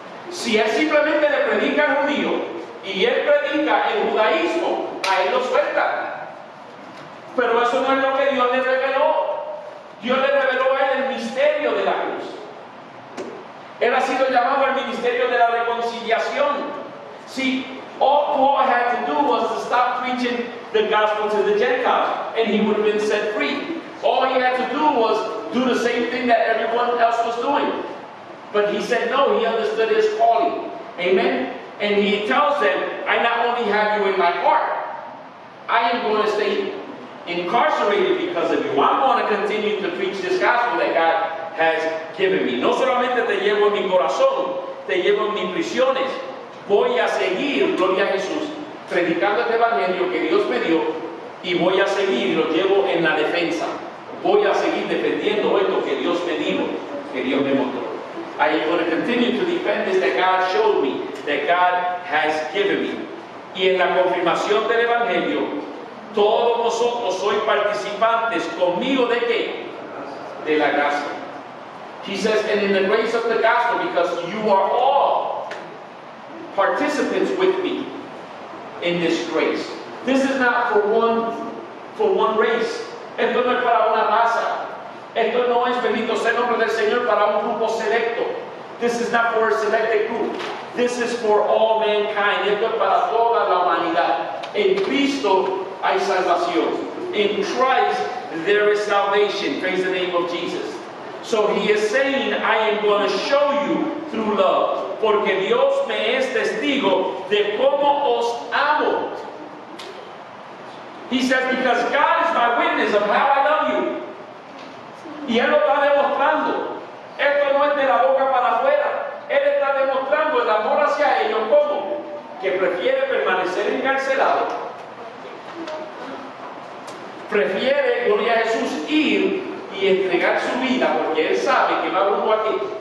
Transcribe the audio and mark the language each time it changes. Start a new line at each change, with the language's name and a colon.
Spanish: Si él simplemente le predica al judío y él predica el judaísmo, a él lo suelta. Pero eso no es lo que Dios le reveló. Dios le reveló a él el misterio de la cruz. Él ha sido llamado al ministerio de la reconciliación.
English: See, all Paul had to do was to stop preaching the gospel to the Gentiles, and he would have been set free. All he had to do was do the same thing that everyone else was doing. But he said no, he understood his calling. Amen? And he tells them, I not only have you in my heart, I am going to stay incarcerated because of you. I'm going to continue to preach this gospel that God has given me.
Spanish: No solamente te llevo en mi corazón, te llevo en mis prisiones. Voy a seguir, gloria a Jesús, predicando este evangelio que Dios me dio, y voy a seguir, lo llevo en la defensa. Voy a seguir defendiendo esto que Dios me dio, que Dios me mostró.
English: I am going to continue to defend this that God showed me, that God has given me.
Spanish: Y en la confirmación del Evangelio, todos vosotros sois participantes conmigo de qué? De la gracia.
English: He says, and in the grace of the gospel, because you are all participants with me in this grace. This is not for one race.
Spanish: Esto no es para una raza. Esto no es bendito sea el nombre del Señor para un grupo selecto.
English: This is not for a selected group. This is for all mankind.
Spanish: Esto es para toda la humanidad. En Cristo hay salvación.
English: In Christ There is salvation. Praise the name of Jesus. So he is saying, I am going to show you through love.
Spanish: Porque Dios me es testigo de cómo os amo.
English: He says, because God is my witness of how I love you.
Spanish: Y él lo está demostrando. Esto no es de la boca para afuera. Él está demostrando el amor hacia ellos. ¿Cómo? Que prefiere permanecer encarcelado. Prefiere, gloria a Jesús, ir y entregar su vida, porque él sabe que va rumbo aquí.